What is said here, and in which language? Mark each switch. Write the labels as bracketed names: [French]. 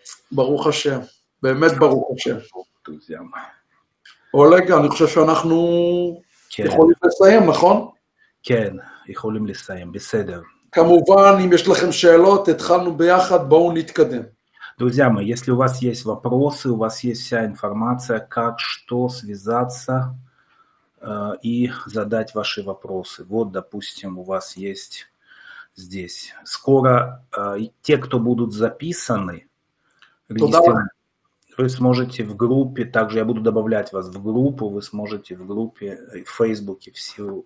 [Hebrew] Барух Ашем, беемет барух Ашем. [Russian] Друзья мои. Олег, я думаю, что мы можем [Hebrew] לסיים, נכון? Кен, יכולים לסיים, בסדר. כמובן, אם יש לכם שאלות, התחלנו ביחד, בואו נתקדם. [Russian] Друзья мои, если у вас есть вопросы, у вас есть вся информация, как, что, связаться, и задать ваши вопросы. Вот, допустим, у вас есть здесь. Скоро те, кто будут записаны, вы сможете в группе, также я буду добавлять вас в группу, вы сможете в группе, в Фейсбуке, все